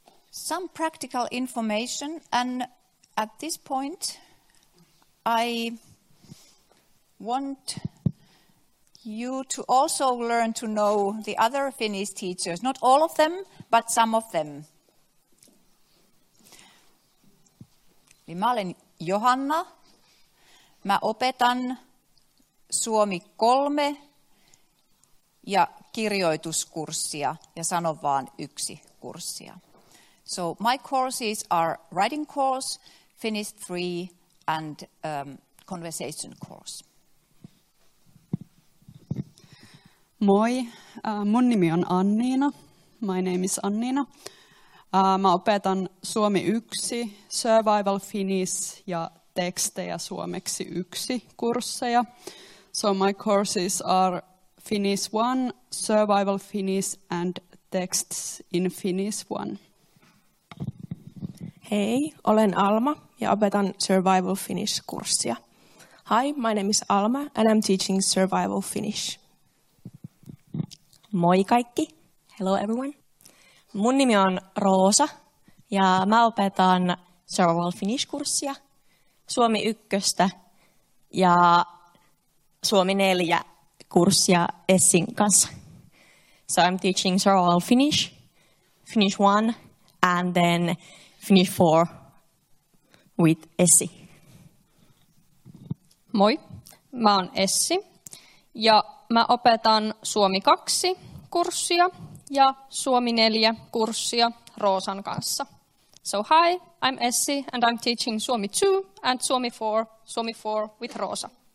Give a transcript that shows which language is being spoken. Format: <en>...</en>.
<en>Some practical information, and at this point I want you to also learn to know the other Finnish teachers, not all of them, but some of them.</en> <fi>Eli mä olen Johanna, mä opetan Suomi 3 ja kirjoituskurssia ja sano vaan 1 kurssia.</fi> <en>So my courses are writing course, Finnish 3 and conversation course.</en> <fi>Moi, mun nimi on Anniina.</fi> <en>My name is Anniina.</en> <fi>Mä opetan Suomi 1, Survival Finnish ja tekstejä suomeksi 1 kursseja.</fi> <en>So my courses are Finnish 1, Survival Finnish and texts in Finnish 1.</en> <fi>Hei, olen Alma ja opetan Survival Finnish kurssia.</fi> <en>Hi, my name is Alma and I'm teaching Survival Finnish.</en> <fi>Moi kaikki.</fi> <en>Hello everyone.</en> <fi>Mun nimi on Roosa ja mä opetan Survival Finnish kurssia, Suomi 1 ja Suomi 4 kurssia Essin kanssa.</fi> <en>So I'm teaching Survival Finnish, Finnish 1 and then Finnish 4 with Essi.</en> <fi>Moi. Mä oon Essi ja mä opetan Suomi 2 kurssia ja Suomi 4 kurssia Roosan kanssa.</fi> <en>So hi, I'm Essi and I'm teaching Suomi 2 and Suomi 4, Suomi 4 with Roosa.</en>